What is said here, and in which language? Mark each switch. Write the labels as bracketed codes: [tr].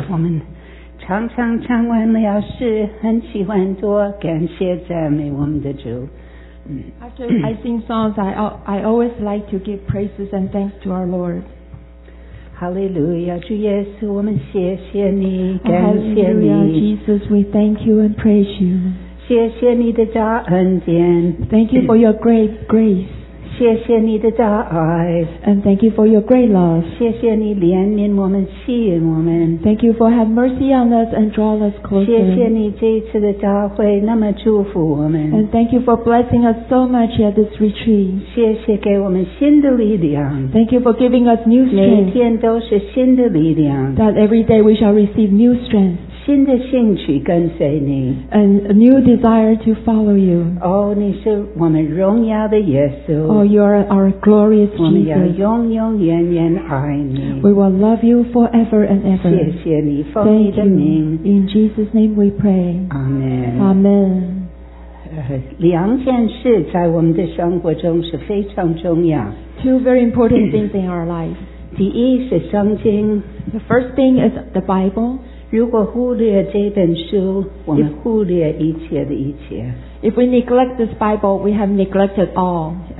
[zh] 我们常常唱完了要是很喜欢多感谢赞美我们的主。 [en] After I sing songs, I always like to give praises and thanks to our Lord. [zh] Hallelujah, 主耶稣，我们谢谢你，感谢你。 [en] Hallelujah, Jesus, we thank you and praise you. [zh] 谢谢你的恩典。 [en] Thank you for your great grace. [zh] 谢谢你的爱。 [en] And thank you for your great love. [zh] 谢谢你怜悯我们，吸引我们。 [en] Thank you for having mercy on us and draw us closer. [zh] 谢谢你这一次的召会，那么祝福我们。 [en] And thank you for blessing us so much at this retreat. [zh] 谢谢给我们新的力量。 [en] Thank you for giving us new strength. [zh] 每天都是新的力量。 [en] That every day we shall receive new strength. [zh] 新的兴趣跟随你。 [en] And a new desire to follow you. [zh] 哦，你是我们荣耀的耶稣。 [en] Oh, you are our glorious Jesus. [zh] 我们要永永远远爱你。 [en] We will love you forever and ever. [zh] 谢谢你, [en] Thank you. In Jesus' name we pray. Amen. Amen. [zh] 两件事在我们的生活中是非常重要。 [en] Two very important things in our life. [zh] 第一是圣经。 [en] The first thing is the Bible. [zh] 如果忽略这本书, 我们忽略一切的一切。 [en] If we neglect this Bible, we have neglected all.